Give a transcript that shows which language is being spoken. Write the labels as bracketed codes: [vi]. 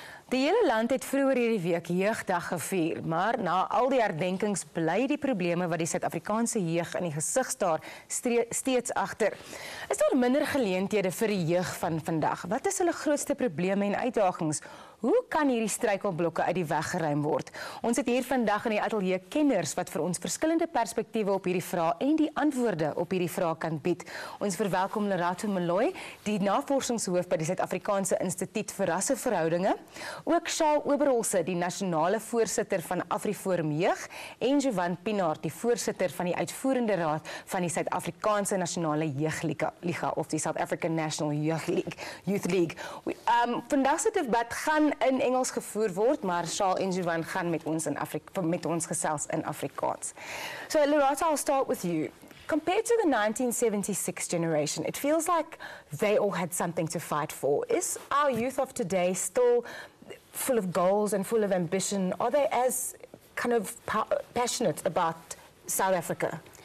[af] Die hele land het vroeger hierdie week jeugdag gevier, maar na al die herdenkings bly die probleme wat die Suid-Afrikaanse jeug in die gesig staar steeds agter. Is daar minder geleenthede vir die jeug van vandag? Wat is hulle grootste probleme en uitdagings? Hoe kan hierdie struikelblokke uit die weg geruim word? Ons het hier vandag in die ateljee kenners wat vir ons verskillende perspektiewe op hierdie vraag en die antwoorde op hierdie vraag kan bied. Ons verwelkom Lerato Molloy, die navorsingshoof by die Suid-Afrikaanse Instituut vir Rasseverhoudinge. Ook Shaal Oberholse, die nasionale voorsitter van AfriForum Jeug, en Jovan Pienaard, die voorsitter van die uitvoerende raad van die Suid-Afrikaanse Nasionale Jeugliga of die South African National Youth League. Vandag se debat gaan in Engels gevoer word, maar Shaal en Jovan gaan met ons gesels in Afrikaans. [en] So Lerato, I'll start with you. Compared to the 1976 generation, it feels like they all had something to fight for. Is our youth of today still full of goals and full of ambition? Are they as kind of passionate about South Africa?